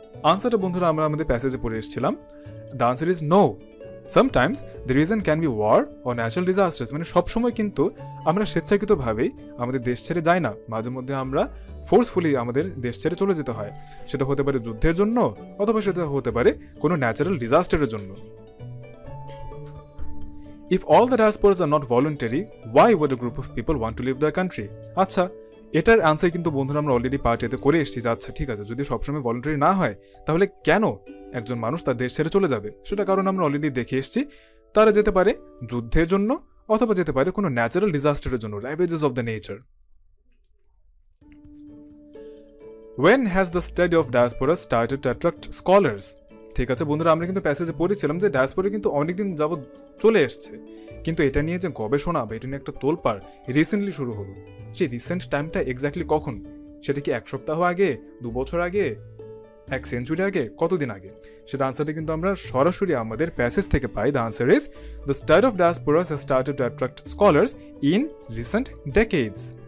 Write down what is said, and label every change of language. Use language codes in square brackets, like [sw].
[bn] আনসারটা বন্ধুরা আমরা আমাদের প্যাসেজে পড়ে এসেছিলাম। [en] The answer is no, sometimes the reason can be war or natural disasters. [bn] মানে সবসময় কিন্তু আমরা স্বেচ্ছাকৃতভাবেই আমাদের দেশ ছেড়ে যাই না, মাঝে মধ্যে আমরা ফোর্সফুলি আমাদের দেশ ছেড়ে চলে যেতে হয়। সেটা হতে পারে যুদ্ধের জন্য, অথবা সেটা হতে পারে কোনো ন্যাচারাল ডিজাস্টারের জন্য। [en] If all the diasporas are not voluntary, why would a group of people want to leave their country? [bn] আচ্ছা, এটার অ্যান্সার কিন্তু বন্ধুরা আমরা অলরেডি পার্ট এতে করে এসেছি যে আচ্ছা ঠিক আছে, যদি সবসময় ভলেন্টারি না হয় তাহলে কেন একজন মানুষ তার দেশ ছেড়ে চলে যাবে? সেটা কারণ আমরা অলরেডি দেখে এসেছি, তারা যেতে পারে যুদ্ধের জন্য, অথবা যেতে পারে কোনো ন্যাচারাল ডিজাস্টারের জন্য, [en] Ravages of the nature. When has the study of diasporas started to attract scholars? [bn] ঠিক আছে বন্ধুরা, আমরা কিন্তু প্যাসেজে পড়েছিলাম যে ডায়াসপোরা কিন্তু অনেকদিন যাবৎ চলে এসছে, কিন্তু এটা নিয়ে যে গবেষণা বা এটা নিয়ে একটা তোলপাড় রিসেন্টলি শুরু হলো, সেই রিসেন্ট টাইমটা এক্স্যাক্টলি কখন? সেটা কি এক সপ্তাহ আগে, দু বছর আগে, এক সেঞ্চুরি আগে, কতদিন আগে? সেটা আনসারটা কিন্তু আমরা সরাসরি আমাদের প্যাসেজ থেকে পাই। [en] The answer is the study of diasporas has started to attract scholars in recent decades.